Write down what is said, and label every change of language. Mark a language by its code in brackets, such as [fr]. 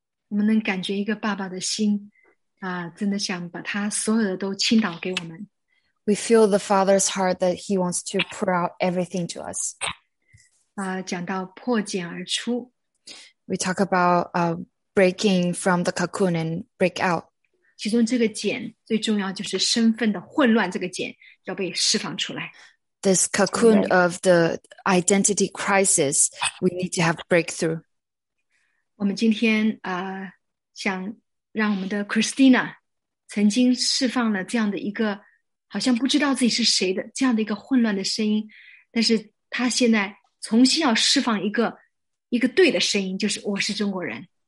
[zh] 我们能感觉一个爸爸的心真的想把他所有的都倾倒给我们。 [en] We feel the father's heart that he wants to pour out everything to us. [zh] 讲到破茧而出。 [en] We talk about breaking from the cocoon and break out. [zh] 其中这个茧最重要就是身份的混乱这个茧要被释放出来。 [en] This cocoon of the identity crisis, we need to have breakthrough. [zh] 我们今天想让我们的 Christina 曾经释放了这样的一个好像不知道自己是谁的这样的一个混乱的声音，但是他现在重新要释放一个对的声音，就是我是中国人。